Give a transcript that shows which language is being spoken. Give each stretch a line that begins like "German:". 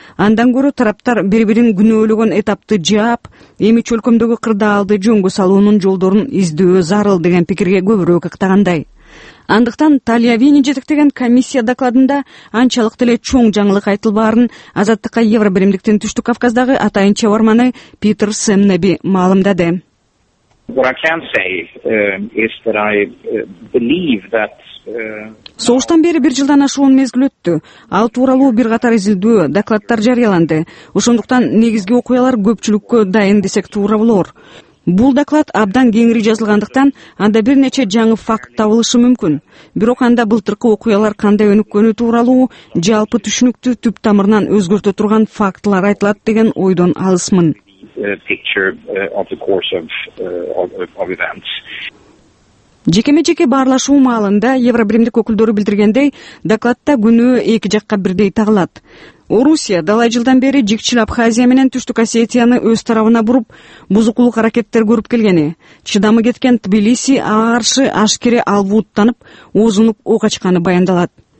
Kyrgyz: Андан көрө тараптар бири бирин күнөөлөгөн этапты жаап, эми чөлкөмдөгү кырдаалды жөнгө салуунун жолдорун издөө зарыл деген пикирге көбүрөөк ыктагандай. Андыктан Тальявини жетектеген комиссия докладында анчалык деле чоң жаңылык айтылбаарын азаттыкка Евробиримдиктин Түштүк Кавказдагы атайын чабарманы Питер Семнеби маалымдады.
English: What I can say is that I believe that
Kyrgyz: согуштан бери бир жылдан ашуун мезгил өттү. Ал тууралуу бир катар изилдөө докладтар жарыяланды. Ошондуктан негизги окуялар көпчүлүккө дайын десек туура болор. Бул доклад абдан кеңири жазылгандыктан анда бир нече жаңы факт табылышы мүмкүн. Бирок анда былтыркы окуялар кандай өнүккөнү тууралуу жалпы түшүнүктү түп тамырынан өзгөртө турган фактылар айтылат деген ойдон алысмын.
English: Picture of the course of events.
Kyrgyz: Жекеме-жеке баарлашуу маалында Евробиримдик өкүлдөрү билдиргендей, докладта күнөө эки жакка бирдей тагылат. Орусия далай жылдан бери жекчил Абхазия менен Түштүк Осетияны өз тарабына буруп, бузукулук аракеттер көрүп келгени, чыдамы кеткен Тбилиси ага каршы ашкере албууттанып, оозунуп ок ачканы баяндалат.